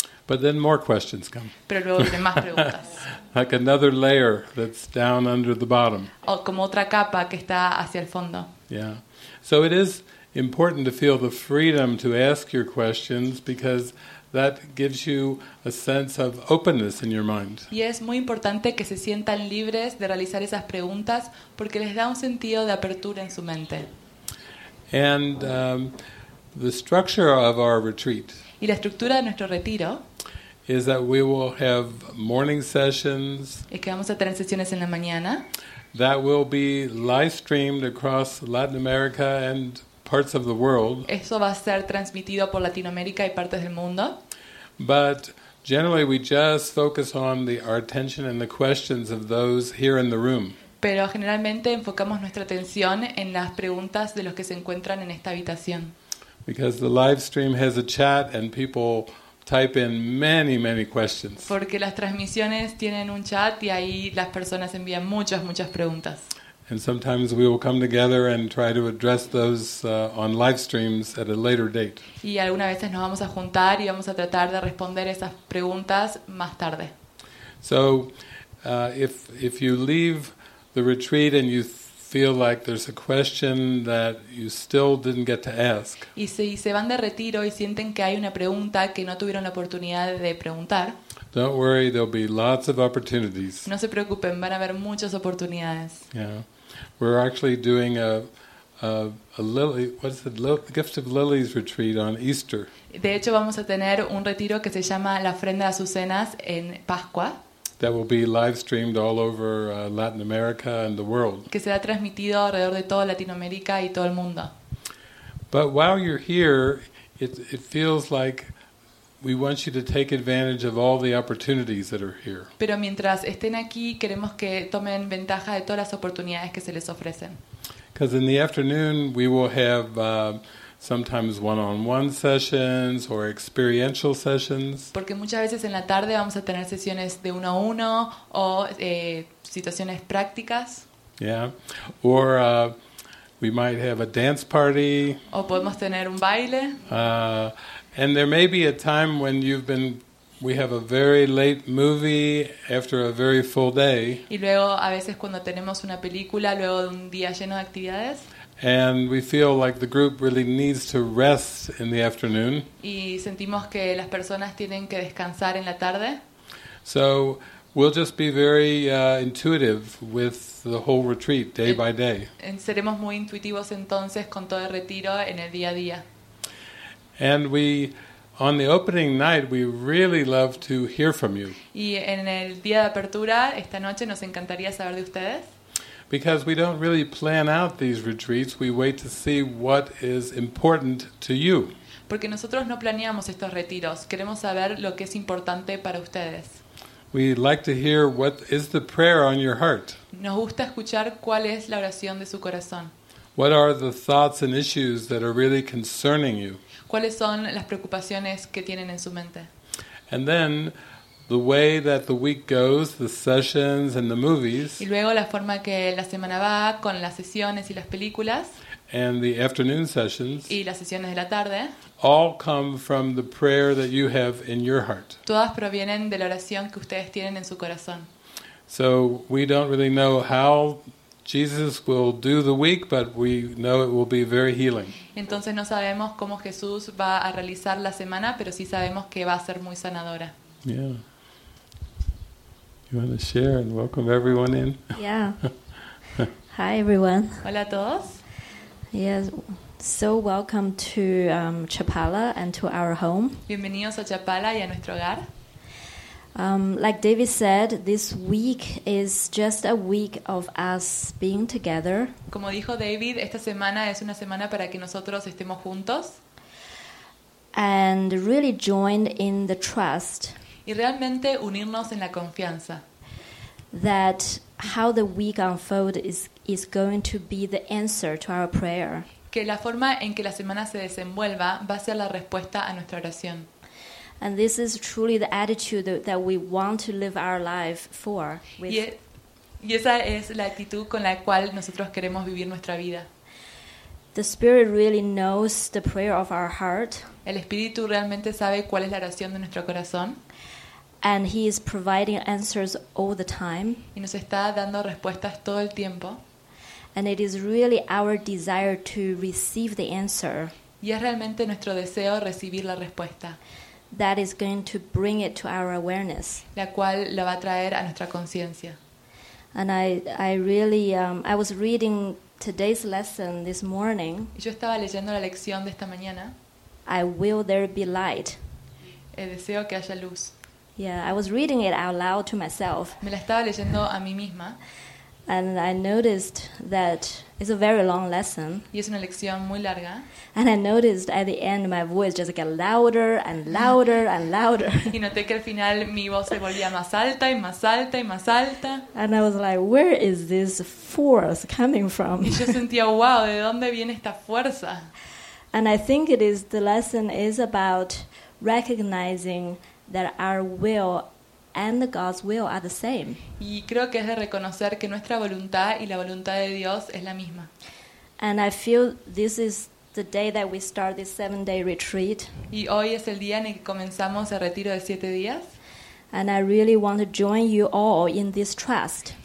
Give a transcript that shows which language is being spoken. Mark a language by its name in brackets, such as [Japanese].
[English] But then more questions come. [Spanish] Pero luego vienen más preguntas. [English] Like another layer that's down under the bottom. [Spanish] O como otra capa que está hacia el fondo. [English] Yeah. So it is important to feel the freedom to ask your questions because that gives you a sense of openness in your mind. [Spanish] Y es muy importante que se sientan libres de realizar esas preguntas porque les da un sentido de apertura en su mente. [English] And the structure of our retreat. [Spanish] Y la estructura de nuestro retiro. [English] Is that we will have morning sessions. [Spanish] Es que vamos a tener sesiones en la mañana. [English] That will be live streamed across Latin America and parts of the world. [Spanish] Eso va a ser transmitido por Latinoamérica y partes del mundo. [English] But generally we just focus on our attention and the questions of those here in the room. [Spanish] Pero generalmente enfocamos nuestra atención en las preguntas de los que se encuentran en esta habitación. [English] Because the live stream has a chat and people type in many, many questions. [Spanish] Porque las transmisiones tienen un chat y ahí las personas envían muchas, muchas preguntas. [English] And sometimes we will come together and try to address those on live streams at a later date. [Spanish] Y algunas veces nos vamos a juntar y vamos a tratar de responder esas preguntas más tarde. [English] So, if you leave the retreat and you feel like there's a question that you still didn't get to ask. [Spanish] Y si se van de retiro y sienten que hay una pregunta que no tuvieron la oportunidad de preguntar. [English] Don't worry, there'll be lots of opportunities. [Spanish] No se preocupen, van a haber muchas oportunidades. [English] Yeah. We're actually doing a lily, what is it? The Gift of Lilies retreat on Easter. [Spanish] De hecho, vamos a tener un retiro que se llama la ofrenda de azucenas en Pascua. [English] That will be live streamed all over Latin America and the world. [Spanish] Que será transmitido alrededor de toda Latinoamérica y todo el mundo. [English] But while you're here, it feels like we want you to take advantage of all the opportunities that are here. [Spanish] Pero mientras estén aquí, queremos que tomen ventaja de todas las oportunidades que se les ofrecen. [English] Because in the afternoon we will have sometimes one-on-one sessions or experiential sessions. [Spanish] Porque muchas veces en la tarde vamos a tener sesiones de uno a uno o situaciones prácticas. [English] Yeah. Or we might have a dance party. [Spanish] O podemos tener un baile. [English] And there may be a time when we have a very late movie after a very full day. [Spanish] Y luego a veces cuando tenemos una película luego de un día lleno de actividades. [English] And we feel like the group really needs to rest in the afternoon. [Spanish] Y sentimos que las personas tienen que descansar en la tarde. [English] So we'll just be very intuitive with the whole retreat day by day. [Spanish] Seremos muy intuitivos entonces con todo el retiro en el día a día. [English] And we on the opening night we really love to hear from you. [Spanish] Y en el día de apertura esta noche nos encantaría saber de ustedes. [English] Because we don't really plan out these retreats, we wait to see what is important to you. [Spanish] Porque nosotros no planeamos estos retiros, queremos saber lo que es importante para ustedes. [English] We like to hear what is the prayer on your heart. [Spanish] Nos gusta escuchar cuál es la oración de su corazón. [English] What are the thoughts and issues that are really concerning you? [Spanish] ¿Cuáles son las preocupaciones que tienen en su mente? [English] And then the way that the week goes, the sessions and the movies. [Spanish] Y luego la forma que la semana va con las sesiones y las películas. [English] And the afternoon sessions. [Spanish] Y las sesiones de la tarde. [English] All come from the prayer that you have in your heart. [Spanish] Todas provienen de la oración que ustedes tienen en su corazón. [English] So we don't really know how Jesus will do the week, but we know it will be very healing. [Spanish] Entonces no sabemos cómo Jesús va a realizar la semana, pero sí sabemos que va a ser muy sanadora. [English] Yeah. You want to share and welcome everyone in? Yeah. Hi everyone. [Spanish] Hola a todos. [English] Yes. So welcome to Chapala and to our home. [Spanish] Bienvenidos a Chapala y a nuestro hogar. [English] Like David said, this week is just a week of us being together. [Spanish] Como dijo David, esta semana es una semana para que nosotros estemos juntos. [English] And really joined in the trust. [Spanish] Y realmente unirnos en la confianza. [English] That how the week unfolds is going to be the answer to our prayer. [Spanish] Que la forma en que la semana se desenvuelva va a ser la respuesta a nuestra oración. [English] And this is truly the attitude that we want to live our life for. [Spanish] Y esa es la actitud con la cual nosotros queremos vivir nuestra vida. [English] The Spirit really knows the prayer of our heart. [Spanish] El Espíritu realmente sabe cuál es la oración de nuestro corazón. [English] And He is providing answers all the time. [Spanish] Y nos está dando respuestas todo el tiempo. [English] And it is really our desire to receive the answer. [Spanish] Y es realmente nuestro deseo recibir la respuesta. [English] That is going to bring it to our awareness. [Spanish] La cual lo va a traer a nuestra conciencia. [English] And I was reading today's lesson this morning. [Spanish] Y yo estaba leyendo la lección de esta mañana. [English] I will there be light. [Spanish] Deseo que haya luz. [English] Yeah, I was reading it out loud to myself. [Spanish] Me la estaba leyendo a mí misma. [English] And I noticed that it's a very long lesson. [Spanish] Y es una lección muy larga. [English] And I noticed at the end my voice just got louder and louder and louder. [Spanish] Y noté que al final mi voz se volvía más alta y más alta y más alta. [English] And I was like, where is this force coming from? [Spanish] Y yo sentía, wow, ¿de dónde viene esta fuerza? [English] And I think it is the lesson is about recognizing that our will and God's will are the same. [Spanish] Y creo que es de reconocer que nuestra voluntad y la voluntad de Dios es la misma. [English] And I feel this is the day that we start this 7-day retreat. [Spanish] Y hoy es el día en el que comenzamos el retiro de 7 días. [English] And I really want to join you all in this trust.